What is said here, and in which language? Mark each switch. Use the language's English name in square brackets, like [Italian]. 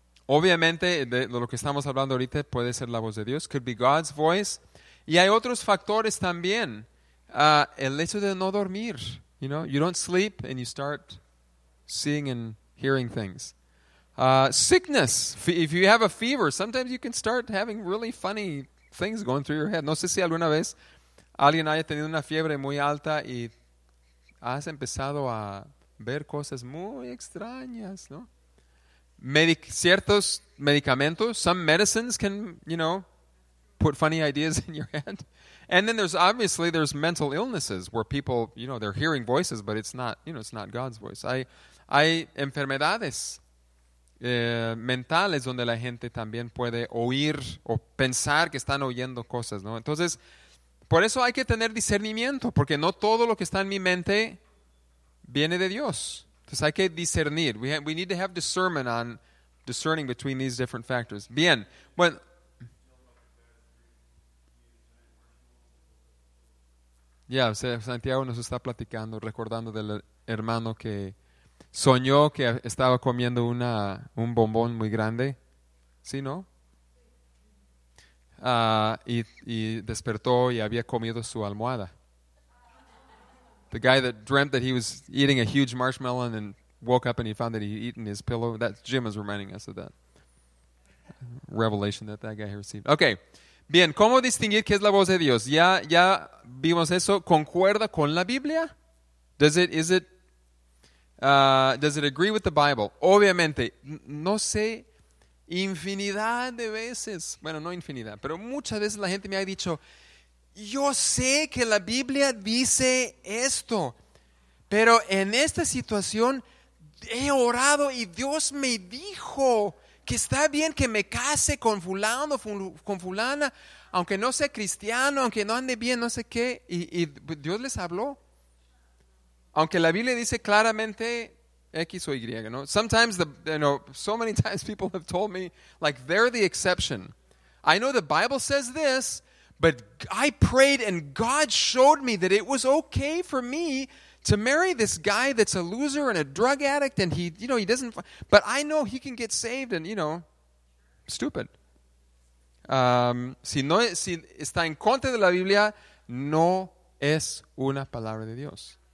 [Spanish] Obviamente, de lo que estamos hablando ahorita puede ser la voz de Dios, [English] could be God's voice. [Spanish] Y hay otros factores también. El hecho de no dormir, [English] you know, you don't sleep and you start seeing and hearing things. Sickness, if you have a fever, sometimes you can start having really funny things going through your head. [Spanish] No sé si alguna vez alguien haya tenido una fiebre muy alta y has empezado a ver cosas muy extrañas, ¿no? Ciertos medicamentos, [English] some medicines can, you know, put funny ideas in your head. And then there's mental illnesses where people, you know, they're hearing voices, but it's not, you know, it's not God's voice. [Spanish] Hay enfermedades mentales donde la gente también puede oír o pensar que están oyendo cosas, ¿no? Entonces, por eso hay que tener discernimiento, porque no todo lo que está en mi mente viene de Dios. Entonces hay que discernir. [English] We need to have discernment on discerning between these different factors. [Spanish] Bien. Bueno. Ya, Santiago nos está platicando, recordando del hermano que soñó que estaba comiendo un bombón muy grande. ¿Sí, no? Y despertó y había comido su almohada. [English] The guy that dreamt that he was eating a huge marshmallow and woke up and he found that he'd eaten his pillow. That Jim is reminding us of that revelation that guy received. Okay. [Spanish] Bien, ¿cómo distinguir qué es la voz de Dios? Ya vimos eso. ¿Concuerda con la Biblia? [English] Does it agree with the Bible? [Spanish] Obviamente, no sé, infinidad de veces. Bueno, no infinidad, pero muchas veces la gente me ha dicho, yo sé que la Biblia dice esto, pero en esta situación he orado y Dios me dijo que está bien que me case con fulano, con fulana, aunque no sea cristiano, aunque no ande bien, no sé qué. Y Dios les habló. Aunque la Biblia dice claramente X o Y, ¿no? [English] Sometimes, so many times people have told me, like, they're the exception. I know the Bible says this, but I prayed and God showed me that it was okay for me to marry this guy that's a loser and a drug addict and he, you know, he doesn't, but I know he can get saved and, you know, stupid. [Spanish] Si está en contra de la Biblia, no es una palabra de Dios.